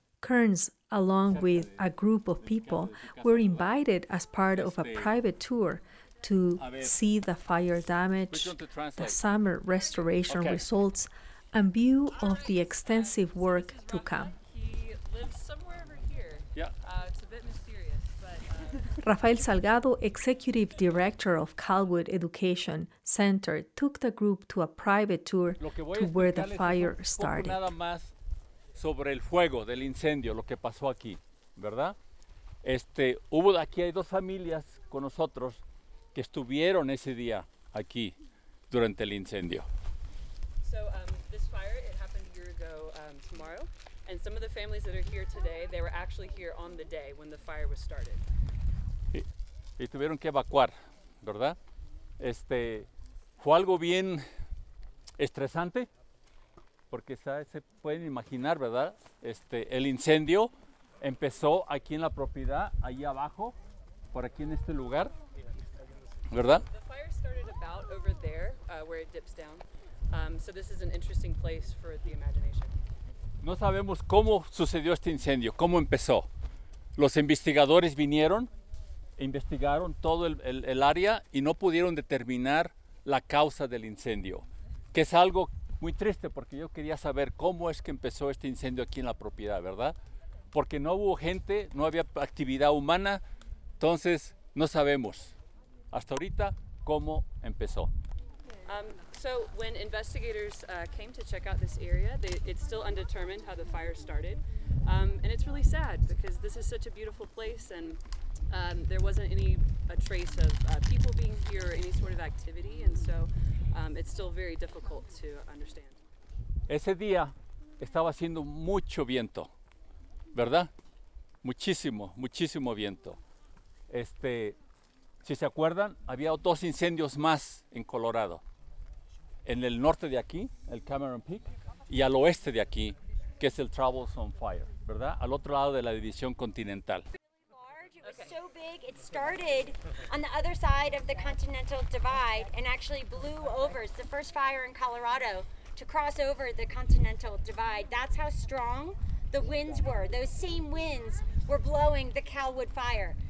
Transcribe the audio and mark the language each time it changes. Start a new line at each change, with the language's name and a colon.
English: Kearns, along with a group of people, were invited as part of a private tour to see the fire damage, the summer restoration results, and view of the extensive work to come. He lives somewhere over here. Yeah. It's a bit mysterious, but... Rafael Salgado, Executive Director of Calwood Education Center, took the group to a private tour to where the fire started.
Spanish: Sobre el fuego del incendio, lo que pasó aquí, ¿verdad? Hubo aquí hay dos familias con nosotros que estuvieron ese día aquí durante el incendio.
English: So this fire, it happened a year ago tomorrow, and some of the families that are here today, they were actually here on the day when the fire was started.
Spanish: Y tuvieron que evacuar, ¿verdad? Fue algo bien estresante. Porque se pueden imaginar, ¿verdad? El incendio empezó aquí en la propiedad, ahí abajo, por aquí en este lugar, ¿verdad?
English: The fire started about over there, where it dips down. So this is an interesting place for the imagination.
Spanish: No sabemos cómo sucedió este incendio, cómo empezó. Los investigadores vinieron, investigaron todo el área y no pudieron determinar la causa del incendio, que es algo muy triste, porque yo quería saber cómo es que empezó este incendio aquí en la propiedad, ¿verdad? porque no hubo gente, no había actividad humana, entonces no sabemos hasta ahorita cómo empezó.
English: So when investigators came to check out this area, it's still undetermined how the fire started. And it's really sad because this is such a beautiful place and there wasn't a trace of people being here or any sort of activity. And so it's still very difficult to understand.
Spanish: Ese día estaba haciendo mucho viento, ¿verdad? Muchísimo, muchísimo viento. Si se acuerdan, había dos incendios más en Colorado. En el norte de aquí, el Cameron Peak, y al oeste de aquí, que es el Troublesome Fire, ¿verdad? Al otro lado de la división continental.
English: It was so big, it started on the other side of the continental divide and actually blew over. It's the first fire in Colorado to cross over the continental divide. That's how strong the winds were. Those same winds were blowing the Calwood Fire.